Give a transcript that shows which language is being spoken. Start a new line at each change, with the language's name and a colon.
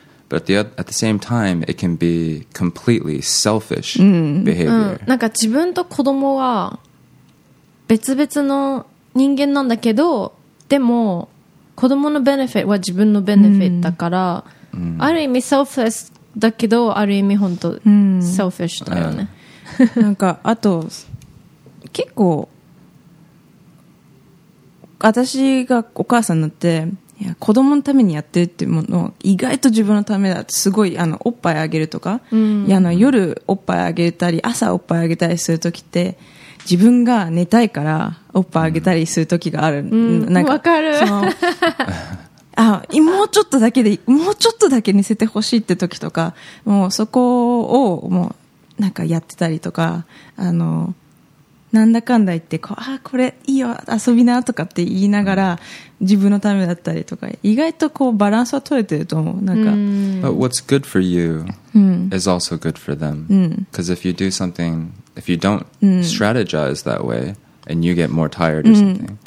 English: but at the same time, it can be completely selfish、mm. behavior.、Mm.
Japanese: なんか自分と子供は別々の人間なんだけど、でも子供のベネフィットは自分のベネフィットだから、 mm. ある意味 selfless。だけどある意味本当、うん、セルフィッシュだよね。なんかあと結構私がお母さんになって、いや子供のためにやってるっていうものを意外と自分のためだってすごい、あのおっぱいあげるとか、うん、いやあの夜おっぱいあげたり朝おっぱいあげたりするときって自分が寝たいからおっぱいあげたりするときがある、うん、なんか、うん、分かる。そのあもうちょっとだけでもうちょっとだけ寝せてほしいって時とかもうそこをもうなんかやってたりとか、あのなんだかんだ言ってこうあこれいいよ遊びなとかって言いながら自分のためだったりとか意外とこうバランスは取れてると思う。なんか、
English: But what's good for you is also good for them. Because、うん、 if you do something, if you don't strategize that way and you get more tired or something,、